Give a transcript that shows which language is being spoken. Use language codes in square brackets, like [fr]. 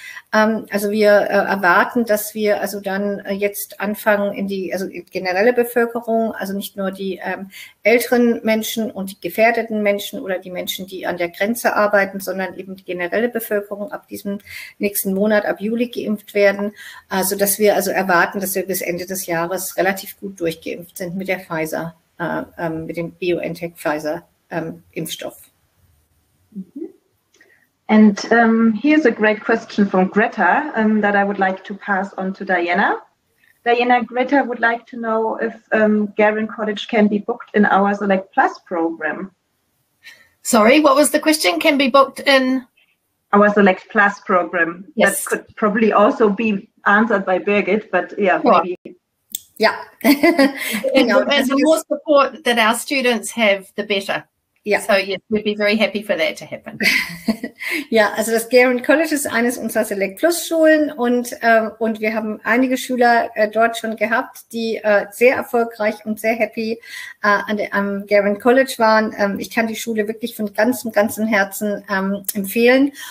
[de] Also wir erwarten, dass wir also dann jetzt anfangen, in die also generelle Bevölkerung, also nicht nur die älteren Menschen und die gefährdeten Menschen oder die Menschen, die an der Grenze arbeiten, sondern eben die generelle Bevölkerung ab diesem nächsten Monat, ab Juli geimpft werden. Also dass wir also erwarten, dass wir bis Ende des Jahres relativ gut durchgeimpft sind mit der Pfizer, mit dem BioNTech-Pfizer-Impfstoff. [en] And here's a great question from Greta that I would like to pass on to Diana. Diana, Greta would like to know if Garen College can be booked in our Select Plus program. Sorry, what was the question? Can be booked in? Our Select Plus program. Yes. That could probably also be answered by Birgit, but yeah, maybe. Yeah. As the more support that our students have, the better. [de] Ja. [en] So yes, we'd be very happy for that to happen. [de] Ja, also das Garen College ist eines unserer Select Plus Schulen und wir haben einige Schüler dort schon gehabt, die sehr erfolgreich und sehr happy am Garen College waren. Ich kann die Schule wirklich von ganzem Herzen empfehlen.